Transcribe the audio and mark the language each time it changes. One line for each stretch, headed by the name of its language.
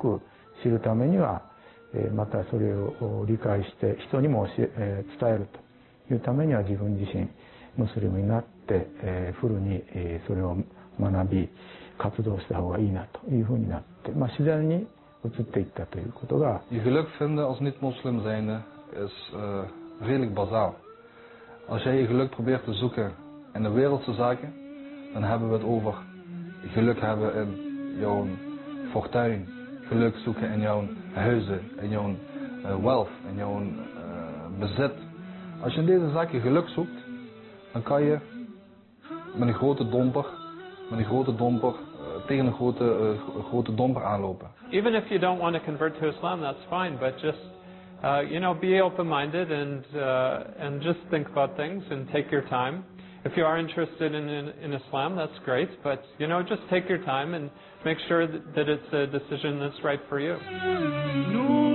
Japanese: 構成になっていると思います。それはいろいろな意味で人あるいは人生にその目標を与えると、かつその生存の意味も教えるという非常に深くて広い教えだということですので、それを一番よく知るためには またそれを理解して人にも教え伝えるというためには自分自身ムスリムになってフルにそれを学び活動した方がいいなというふうになって、まあ、自然に移っていったということが。
Dutch: Je geluk vinden als niet-moslim zijnde is redelijk bazaal. Als jij je geluk probeert te zoeken in de wereldse zaken, dan hebben we het over geluk hebben in jouw fortuin. Geluk zoeken in jouw huizen, in jouw wealth, in jouw bezit. Als je in deze zaken geluk zoekt, dan kan je met een grote domper aanlopen.
English: Even if you don't want to convert to Islam, that's fine. But just, be open-minded and just think about things and take your time. If you are interested in Islam, that's great. But, you know, just take your time and make sure that it's a decision that's right for you.